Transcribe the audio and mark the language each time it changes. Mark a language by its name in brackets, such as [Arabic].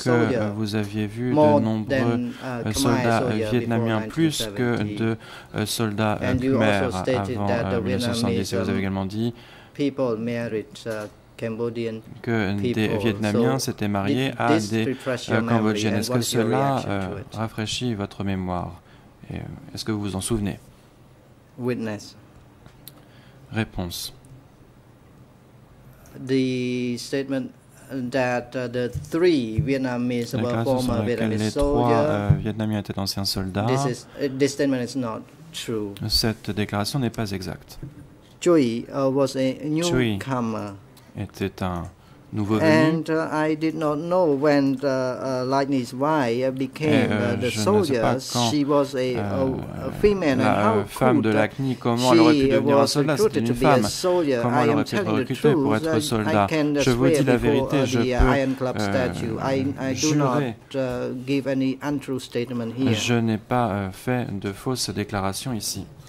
[French] que vous aviez vu de nombreux soldats vietnamiens plus que de soldats Khmer avant 1970 et vous avez également dit [English] people married Cambodian [French] que des Vietnamiens [English] so [French] s'étaient mariés à des Cambodgiennes. Est-ce que cela rafraîchit votre mémoire et, est-ce que vous vous en souvenez? [English] Witness. [French] Réponse. [English] The statement that the three Vietnamese were former Vietnamese soldiers. [French] Les trois Vietnamiens étaient anciens soldats. [English] This statement is not true. [French] Cette déclaration n'est pas exacte. [English] Chui was a newcomer. [French] Était un nouveau venu. [English] And I did not know when Lightning's wife became the soldier. She was a female, and how could [French] la femme de Lightning comment elle aurait pu devenir un soldat? C'était une femme. Comment elle aurait pu être recrutée pour être soldat? Je vous dis la vérité. Je peux jurer. Je n'ai pas fait de fausses déclarations ici.